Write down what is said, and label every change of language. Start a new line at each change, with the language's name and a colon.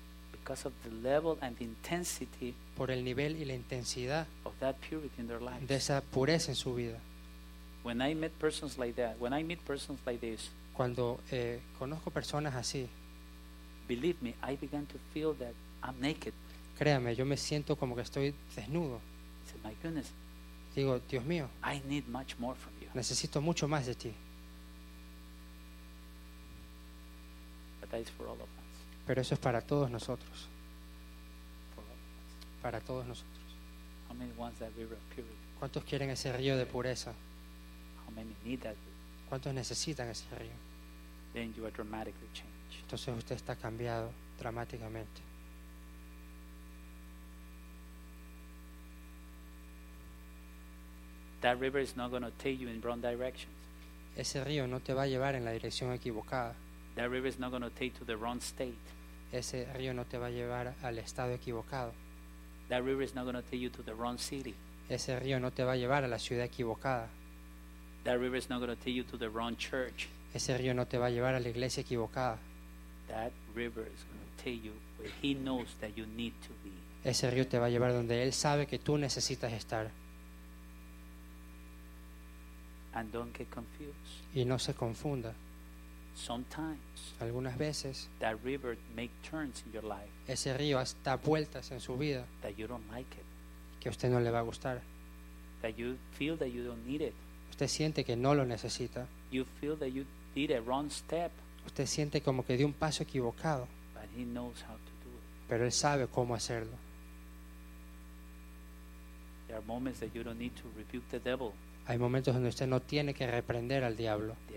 English: Because of the level and the intensity.
Spanish: Por el nivel y la intensidad.
English: Of that purity in their lives.
Spanish: De esa pureza en su vida.
English: When I meet persons like that, when I meet persons like this.
Spanish: Cuando conozco personas así.
English: Believe me, I began to feel that I'm naked.
Spanish: Créame, yo me siento como que estoy desnudo.
English: I said, my goodness.
Spanish: Digo, Dios mío.
English: I need much more from you.
Spanish: Necesito mucho más de ti.
English: But that is for all of us.
Spanish: Pero eso es para todos nosotros.
English: For all of us.
Spanish: Para todos nosotros.
English: How many wants that river of purity?
Spanish: ¿Cuántos quieren ese río de pureza?
English: How many need that?
Spanish: ¿Cuántos necesitan ese río?
English: Then you are dramatically changed.
Spanish: Entonces usted está cambiado dramáticamente.
English: That river is not going to take you in wrong directions.
Spanish: Ese río no te va a llevar en la dirección equivocada.
English: That river is not going to take you to the wrong state.
Spanish: Ese río no te va a llevar al estado equivocado.
English: That river is not going to take you to the wrong city.
Spanish: Ese río no te va a llevar a la ciudad equivocada.
English: That river is not going to take you to the wrong church.
Spanish: Ese río no te va a llevar a la iglesia equivocada.
English: That river is going to take you where he knows that you need to be.
Spanish: Ese río te va a llevar donde él sabe que tú necesitas estar.
English: And don't get confused.
Spanish: Y no se confunda.
English: Sometimes,
Spanish: algunas veces,
English: that river make turns in your life.
Spanish: Ese río da vueltas en su vida.
English: That you don't like it.
Spanish: Que usted no le va a gustar.
English: That you feel that you don't need it.
Spanish: Usted siente que no lo necesita.
English: You feel that you did a wrong step.
Spanish: Usted siente como que dio un paso equivocado.
English: But he knows how to do it.
Spanish: Pero él sabe cómo hacerlo.
English: There are moments that you don't need to rebuke the devil.
Spanish: Hay momentos donde usted no tiene que reprender al diablo.